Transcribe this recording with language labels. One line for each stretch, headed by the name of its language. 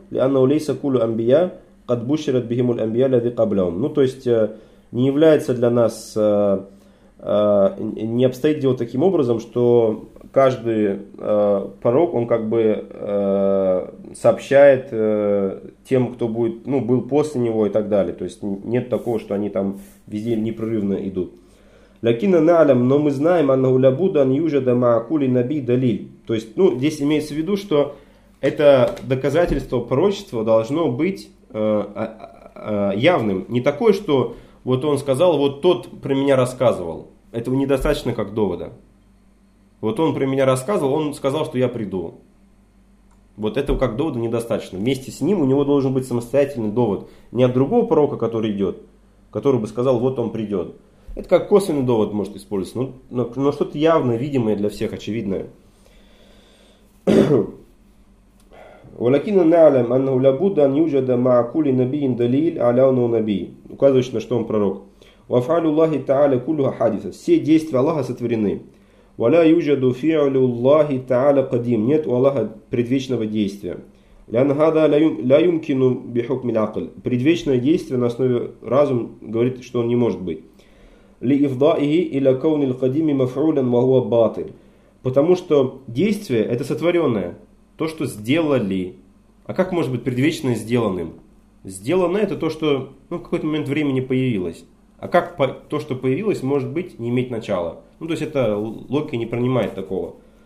Arabic: لأن ليس كل الأنبياء قد بشرت بهم الأنبياء الذي قبلهم.
Russian: Ну, то есть, не является для нас, не обстоит дело таким образом, что каждый пророк, он как бы сообщает тем, кто будет, ну, был после него и так далее. То есть, нет такого, что они там везде непрерывно идут.
Arabic: لَكِنَّ نَعْلَمْ
Russian: но мы знаем,
Arabic: أَنَّهُ لَبُدَ أَنْ يُجَدَ مَعَكُلِ نَبِي دَلِيلٍ.
Russian: То есть, ну, здесь имеется в виду, что это доказательство пророчества должно быть явным. Не такое, что вот он сказал, вот тот про меня рассказывал. Этого недостаточно как довода. Вот он про меня рассказывал, он сказал, что я приду. Вот этого как довода недостаточно. Вместе с ним у него должен быть самостоятельный довод. Не от другого пророка, который идет, который бы сказал, вот он придет. Это как косвенный довод может использоваться. Но что-то явное, видимое для всех, очевидное.
Arabic: ولكن نعلم أنه لابد أن يوجد مع كل نبي دليل على أنه نبي.
Russian: Указывает, на что он пророк.
Arabic: وفعل الله تعالى كلها حادثة.
Russian: Все действия Аллаха сотворены.
Arabic: ولا يوجد فعل الله تعالى قديم.
Russian: Нет у Аллаха предвечного действия.
Arabic: لأن هذا لا يمكن بحكم العقل.
Russian: Предвечное действие на основе разума говорит, что он не может быть.
Arabic: لإفضائه إلى كون القديم مفعولا وهو باطل.
Russian: Потому что действие это сотворенное. То, что сделали. А как может быть предвечное сделанным? Сделано это то, что в какой-то момент времени появилось. А как то, что появилось, может быть не иметь начала? То есть это логика не принимает такого.